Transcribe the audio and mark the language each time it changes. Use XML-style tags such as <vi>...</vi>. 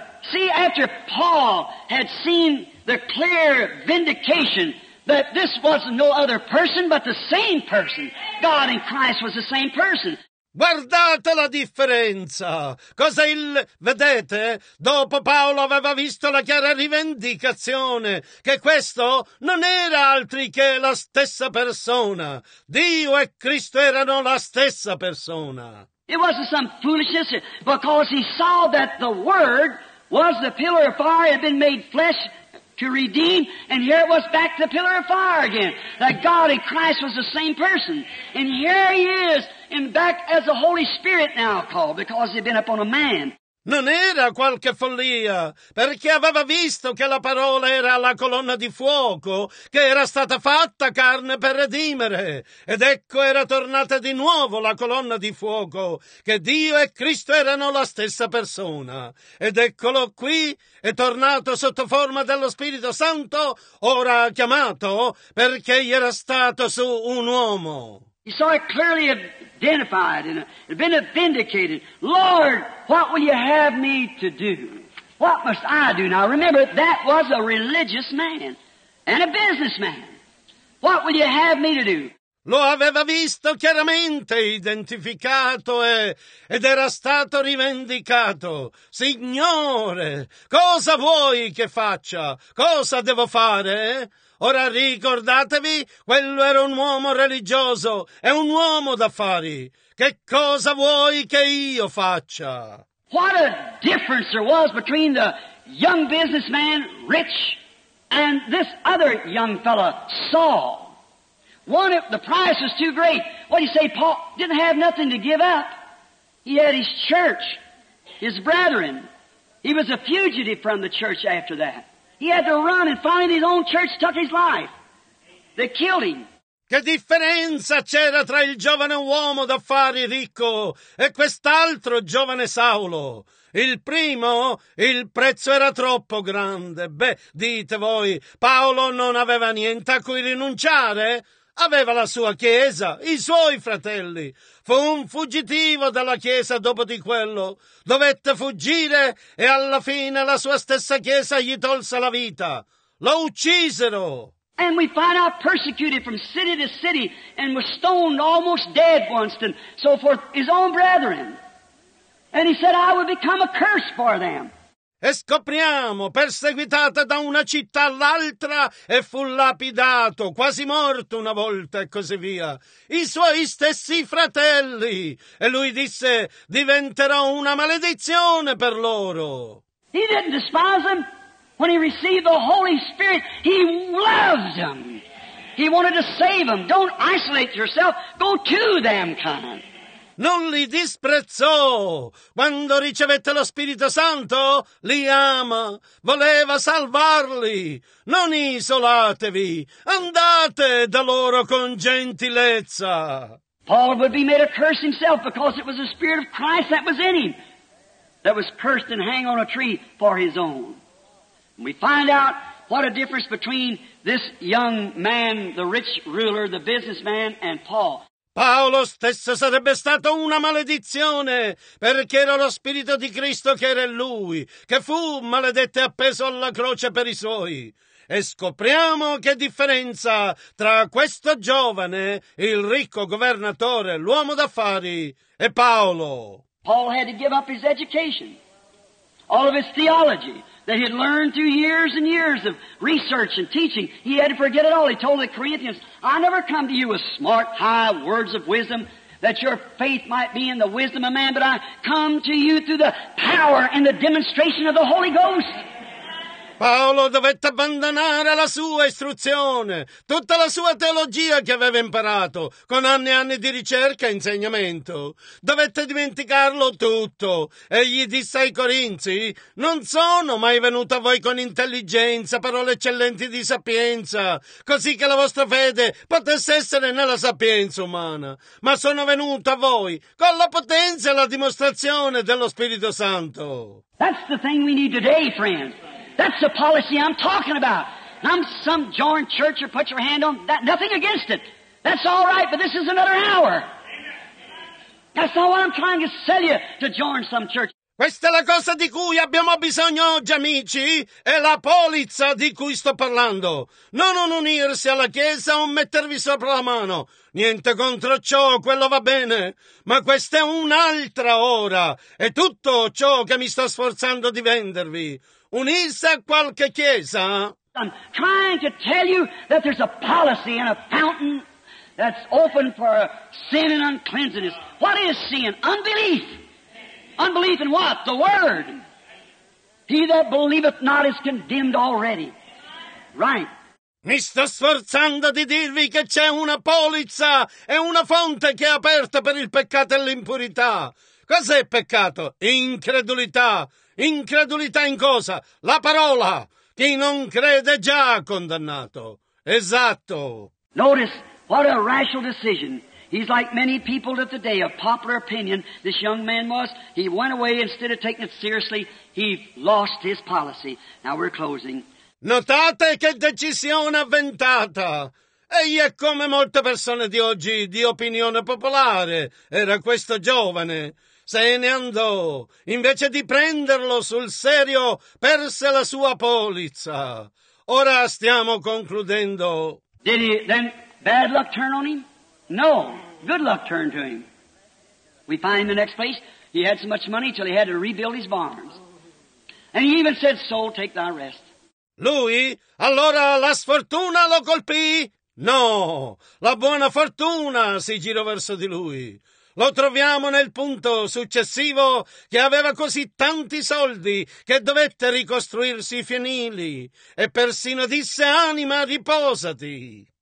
<en>See, after Paul had seen the clear vindication that this was no other person but the same person. God in Christ was the same person.</en> <it>Guardate la differenza. Cosa il... Vedete? Dopo Paolo aveva visto la chiara rivendicazione che questo non era altri che la stessa persona. Dio e Cristo erano la stessa persona.</it> <en>It wasn't some foolishness because he saw that the Word was the pillar of fire had been made flesh to redeem, and here it was back to the pillar of fire again. That God in Christ was the same person. And here he is, and back as the Holy Spirit now called, because he'd been upon a man.</en> <it>Non era qualche follia, perché aveva visto che la parola era la colonna di fuoco, che era stata fatta carne per redimere. Ed ecco era tornata di nuovo la colonna di fuoco, che Dio e Cristo erano la stessa persona. Ed eccolo qui, è tornato sotto forma dello Spirito Santo, ora chiamato, perché gli era stato su un uomo.</it> <en>He saw it clearly identified and been vindicated. Lord, what will you have me to do? What must I do? Now remember, that was a religious man and a businessman. What will you have me to do?</en> <it>Lo aveva visto chiaramente identificato ed era stato rivendicato. Signore, cosa vuoi che faccia? Cosa devo fare? Ora ricordatevi, quello era un uomo religioso, è un uomo d'affari. Che cosa vuoi che io faccia?</it> <en>What a difference there was between the young businessman, Rich, and this other young fellow, Saul. One, the price was too great. What do you say, Paul didn't have nothing to give up. He had his church, his brethren. He was a fugitive from the church after that. He had to run and find his own church, took his life. They killed him.</en> <it>Che differenza c'era tra il giovane uomo d'affari ricco e quest'altro giovane Saulo? Il primo, il prezzo era troppo grande. Beh, dite voi, Paolo non aveva niente a cui rinunciare? Aveva la sua chiesa, i suoi fratelli. Fu un fuggitivo dalla chiesa dopo di quello. Dovette fuggire e alla fine la sua stessa chiesa gli tolse la vita. Lo uccisero.</it> <en>And we find out persecuted from city to city and was stoned almost dead once and so forth, his own brethren. And he said, I would become a curse for them.</en> <it>E scopriamo, perseguitata da una città all'altra, e fu lapidato, quasi morto una volta e così via. I suoi stessi fratelli. E lui disse, diventerò una maledizione per loro.</it> <en>He didn't despise them. When he received the Holy Spirit, he loved them. He wanted to save them. Don't isolate yourself. Go to them, kind.</en> <it>Non li disprezzò. Quando ricevette lo Spirito Santo, li ama. Voleva salvarli. Non isolatevi. Andate da loro con gentilezza.</it> <en>Paul would be made a curse himself because it was the Spirit of Christ that was in him that was cursed and hang on a tree for his own. And we find out what a difference between this young man, the rich ruler, the businessman, and Paul.</en> <it>Paolo stesso sarebbe stato una maledizione, perché era lo Spirito di Cristo che era in lui, che fu maledetto e appeso alla croce per i suoi. E scopriamo che differenza tra questo giovane, il ricco governatore, l'uomo d'affari, e Paolo.</it> <en>Paul had to give up his education, all of his theology, that he had learned through years and years of research and teaching. He had to forget it all. He told the Corinthians, I never come to you with smart, high words of wisdom, that your faith might be in the wisdom of man, but I come to you through the power and the demonstration of the Holy Ghost.</en> <it>Paolo dovette abbandonare la sua istruzione, tutta la sua teologia che aveva imparato con anni e anni di ricerca e insegnamento. Dovette dimenticarlo tutto. Egli disse ai Corinzi, non sono mai venuto a voi con intelligenza, parole eccellenti di sapienza, così che la vostra fede potesse essere nella sapienza umana. Ma sono venuto a voi con la potenza e la dimostrazione dello Spirito Santo.</it> <en>That's the thing we need today, friends. That's the policy I'm talking about. I'm some joint church or put your hand on that. Nothing against it. That's all right, but this is another hour. That's not what I'm trying to sell you to join some church.</en> <it>Questa è la cosa di cui abbiamo bisogno oggi, amici, è la polizza di cui sto parlando. Non un unirsi alla Chiesa o mettervi sopra la mano. Niente contro ciò, quello va bene. Ma questa è un'altra ora. È tutto ciò che mi sto sforzando di vendervi. Unirsi a qualche chiesa.</it> <en>I'm trying to tell you that there's a policy and a fountain that's open for sin and uncleanness. What is sin? Unbelief. Unbelief in what? The Word. He that believeth not is condemned already. Right.</en> <it>Mi sto sforzando di dirvi che c'è una polizza e una fonte che è aperta per il peccato e l'impurità. Cos'è peccato? Incredulità. Incredulità in cosa? La parola. Chi non crede già condannato. Esatto.</it> <en>Notice what a rational decision. He's like many people of the day, of popular opinion, this young man was. He went away instead of taking it seriously. He lost his policy. Now we're closing.</en> <it>Notate che decisione avventata. Egli è come molte persone di oggi, di opinione popolare. Era questo giovane. Se ne andò. Invece di prenderlo sul serio, perse la sua polizza. Ora stiamo concludendo.</it> <en>Did he then bad luck turn on him? No, good luck turned to him. We find the next place, he had so much money till he had to rebuild his barns. And he even said, soul, take thy rest.</en> <it>Lui, allora la sfortuna lo colpì? No, la buona fortuna si girò verso di lui. Lo troviamo nel punto successivo che aveva così tanti soldi che dovette ricostruirsi i fienili e persino disse anima riposati.</it>